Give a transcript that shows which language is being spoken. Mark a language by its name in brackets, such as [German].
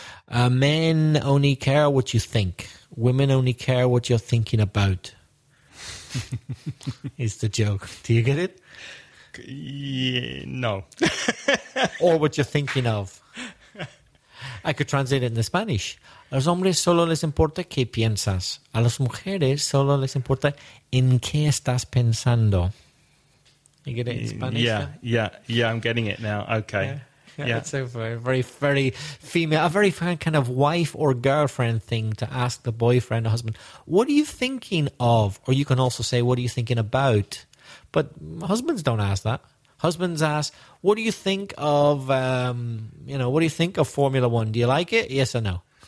[English] Men only care what you think. Women only care what you're thinking about. Is the joke. Do you get it? Yeah, no. Or what you're thinking of. I could translate it in Spanish. [Spanish] A los hombres solo les importa qué piensas. A las mujeres solo les importa en qué estás pensando. [English] You get it in Spanish? Yeah, I'm getting it now. Okay. Yeah, it's a very, very, very female, a very kind of wife or girlfriend thing to ask the boyfriend or husband, what are you thinking of? Or you can also say, what are you thinking about? But husbands don't ask that. Husbands ask, what do you think of, what do you think of Formula One? Do you like it? Yes or no?